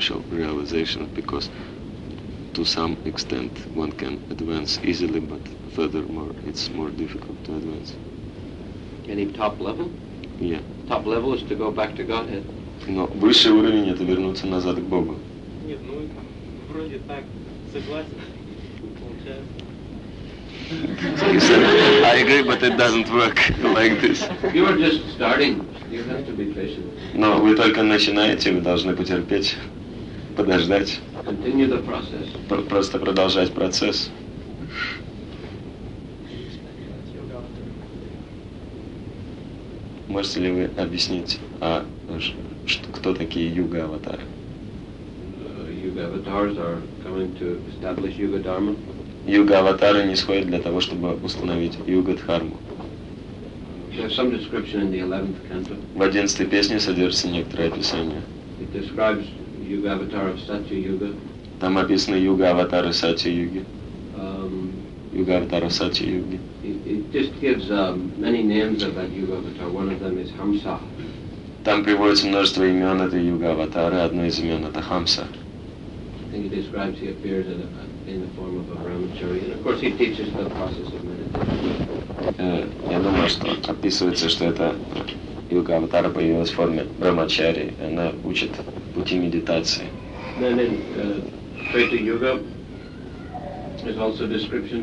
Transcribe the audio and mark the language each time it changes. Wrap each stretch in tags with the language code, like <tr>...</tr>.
<en>Realization, because to some extent one can advance easily, but furthermore it's more difficult to advance. Any top level? Yeah. Top level is to go back to Godhead.</en> <ru>No, высший уровень это вернуться назад к Богу. Нет, ну вроде так согласен, получается.</ru> <en>I agree, but it doesn't work like this. You are just starting. You have to be patient.</en> <ru>No, вы только начинаете, вы должны потерпеть. Подождать.</ru> <en>Continue the process.</en> <ru>Просто продолжать процесс. Можете ли вы объяснить, а кто такие юга-аватары?</ru> <en>Юга-аватары are coming to establish юга-дхарму.</en> <ru>Юга-аватары нисходят для того, чтобы установить юга-дхарму.</ru> <en>There's some description in the 11th canto.</en> <ru>В 11-й песне содержится некоторое описание.</ru> <en>It describes Yuga avatar of Satya Yuga.</en> <ru>Там описаны Юга аватары Сатья Юги. Юга аватары Сатья Юги.</ru> <en>It just gives many names of that Yuga avatar. One of them is Hamsa.</en> <ru>Там приводится множество имен этой Юга аватары. Одно из имен это Хамса.</ru> <en>I think it describes he appears in the form of a Brahmachari. And of course he teaches the process of meditation.</en> <ru>Я думаю, что описывается, что это Юга аватара появилась в форме Брамачари. Она учит пути медитации.</ru> <en>Then in Treta Yuga is also a description.</en>